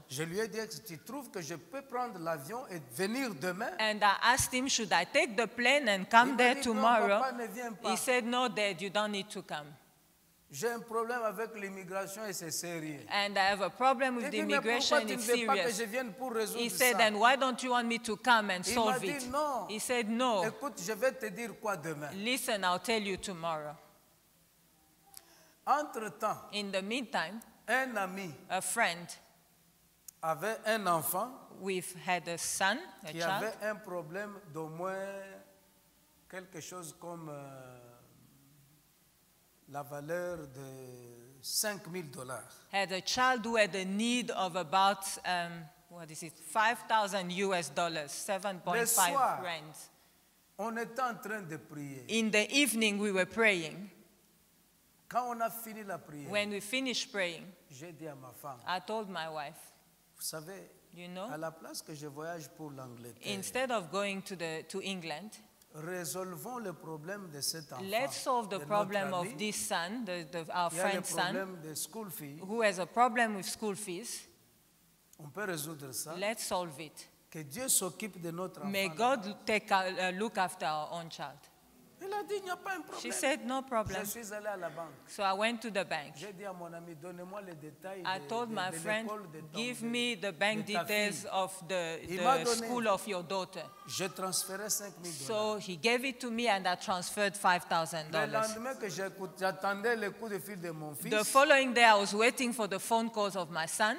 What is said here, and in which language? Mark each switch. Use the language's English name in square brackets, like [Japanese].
[French] Je lui ai dit, tu trouves que je peux prendre l'avion et venir demain? [English] And I asked him, should I take the plane and come [French] il [English] there [French] dit, [English] tomorrow? [French] Non, papa, ne viens pas. [English] He said, no, Dad, you don't need to come. [French] J'ai un problème avec l'immigration et c'est sérieux. [English] And I have a problem with the immigration, it's serious. [French] Pas que je vienne pour résoudre ça. [English] He said, then why don't you want me to come and solve it? He said, no. [French] Écoute, je vais te dire quoi demain. [English] Listen, I'll tell you tomorrow. [French] Entre-temps, [English] in the meantime, [French] un ami, [English] a friend, [French] avait un enfant, [English] we've had a son, [French] qui [English] a child, [French] avait un problème d'au moins quelque chose comme la valeur de $5,000. [English] Had a child who had a need of about what is it, $5,000, 7.5 rand. [French] On était en train de prier. [English] In the evening, we were praying. [French] Quand on a fini la prière, [English] when we finished praying, [French] j'ai dit à ma femme, [English] I told my wife, [French] vous savez, [English] you know, [French] à la place que je voyage pour l'Angleterre, [English] instead of going to England, [French] résolvons le problème de cet enfant, [English] let's solve the problem of this son, our friend's son, [French] de school fee, [English] who has a problem with school fees. [French] On peut résoudre ça. [English] Let's solve it. [French] Que Dieu s'occupe de notre [English] May [French] enfant. [English] May God take a look after our own child. [French] Elle a dit, y a pas un problème. [English] She said, no problem. [French] Je suis allé à la banque. [English] So I went to the bank. [French] J'ai dit à mon ami, donnez-moi les détails [English] I told my friend, give me the bank details [French] fille. [English] Of the school of your daughter. [French] Je transférais $5,000. [English] So he gave it to me and I transferred $5,000. [French] Le lendemain que j'attendais le coup de fil de mon fils. [English] The following day, I was waiting for the phone calls of my son.